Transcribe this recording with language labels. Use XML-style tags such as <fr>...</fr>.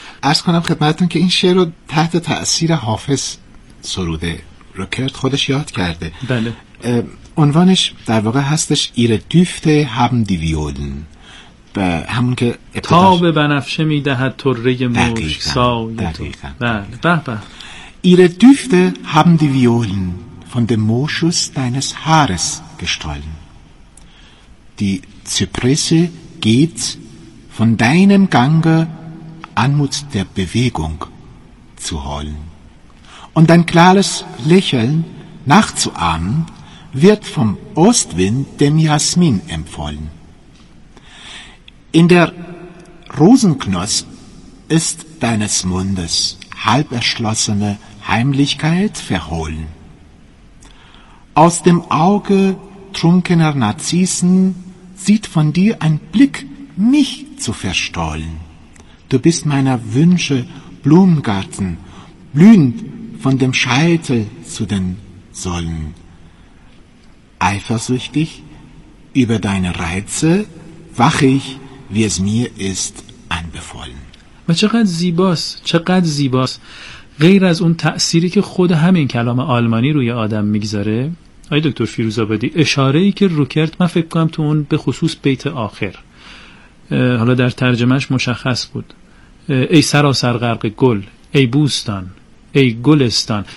<fa>عرض کنم خدمتتون که این شعر رو تحت تأثیر حافظ سروده، روکرت خودش یاد کرده. بله. عنوانش در واقع هستش</fa> <de>ایره دوفته هم دی ویولن،</de> <fa>همون که تا به بنفشه میدهد طره مشک سایه تو. دقیقاً.</fa> <de>ایره دوفته هم دی ویولن von dem Moschus deines Haares gestohlen. Die Zypresse geht von deinem Gange Anmut der Bewegung zu holen. Und dein klares Lächeln nachzuahmen, wird vom Ostwind dem Jasmin empfohlen. In der Rosenknosp ist deines Mundes halb erschlossene Heimlichkeit verhohlen. Aus dem Auge trunkener Narzissen sieht von dir ein Blick mich zu verstohlen. Du bist meiner Wünsche Blumengarten, blühend von dem Scheitel zu den Sollen. Eifersüchtig über deine Reize wache ich, wie es mir ist, anbefohlen.</de> <fa>و چقدر زیباست، چقدر زیباست. غیر از اون تأثیری که خود همین کلام آلمانی روی آدم میگذاره، آی دکتر فیروزآبادی، اشاره ای که روکرت من فکر کنم تو اون به خصوص بیت آخر، حالا در ترجمهش مشخص بود، ای سراسر غرق گل، ای بوستان، ای گلستان.</fa>